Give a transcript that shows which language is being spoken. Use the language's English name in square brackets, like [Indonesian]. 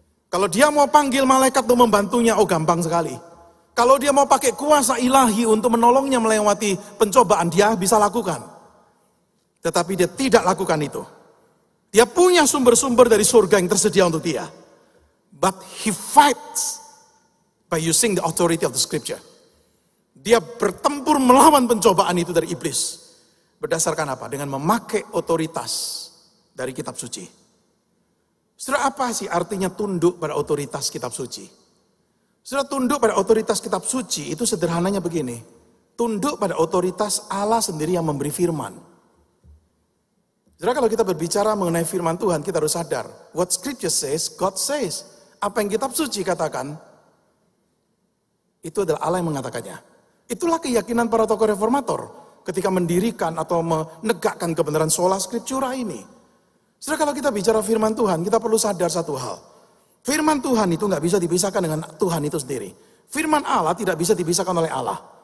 [Indonesian] Kalau dia mau panggil malaikat untuk membantunya, oh gampang sekali. Kalau dia mau pakai kuasa ilahi untuk menolongnya melewati pencobaan, dia bisa lakukan. Tetapi dia tidak lakukan itu. Dia punya sumber-sumber dari surga yang tersedia untuk dia. [English] But he fights by using the authority of the scripture. [Indonesian] Dia bertempur melawan pencobaan itu dari iblis. Berdasarkan apa? Dengan memakai otoritas dari kitab suci. Sudah apa sih artinya tunduk pada otoritas kitab suci? Sudah tunduk pada otoritas kitab suci itu sederhananya begini. Tunduk pada otoritas Allah sendiri yang memberi firman. Sudah kalau kita berbicara mengenai firman Tuhan, kita harus sadar. [English] What scripture says, God says. [Indonesian] Apa yang kitab suci katakan, itu adalah Allah yang mengatakannya. Itulah keyakinan para tokoh reformator ketika mendirikan atau menegakkan kebenaran sola scriptura ini. Sudah kalau kita bicara firman Tuhan, kita perlu sadar satu hal. Firman Tuhan itu gak bisa dipisahkan dengan Tuhan itu sendiri. Firman Allah tidak bisa dipisahkan oleh Allah.